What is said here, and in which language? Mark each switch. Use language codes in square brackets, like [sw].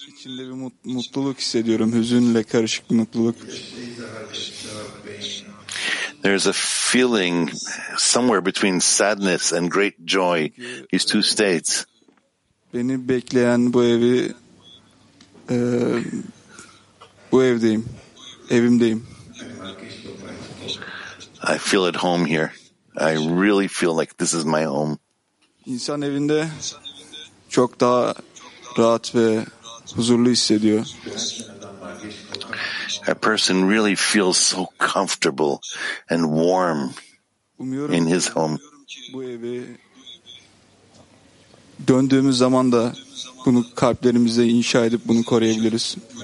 [tr] İçinde bir mutluluk hissediyorum, hüzünle karışık bir mutluluk. [en] There is a feeling somewhere between sadness and great joy, these two states. [tr] Beni bekleyen bu evi, bu evdeyim, evimdeyim. [en] I feel at home here. I really feel like this is my home. [tr] İnsan evinde çok daha rahat ve huzurlu hissediyor. [en] A person really feels so comfortable and warm in his home. [tr] Bu evi döndüğümüz zaman da bunu kalplerimize inşa edip bunu koruyabiliriz.